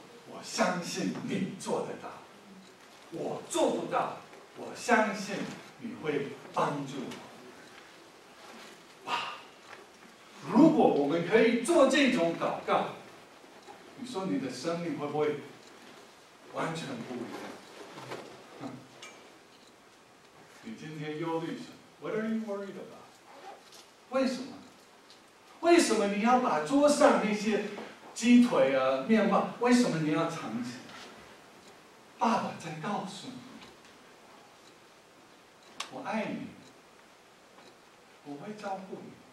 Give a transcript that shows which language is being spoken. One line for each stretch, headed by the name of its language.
Chinese: 我相信你做得到。我做不到，我相信你会帮助我。哇，如果我们可以做这种祷告，你说你的生命会不会完全不一样？你今天忧虑什么 ？
English: What are you worried about？
Chinese: 为什么？为什么你要把桌上那些鸡腿啊、面包，为什么你要藏起来？爸爸在告诉你，我爱你，我会照顾你。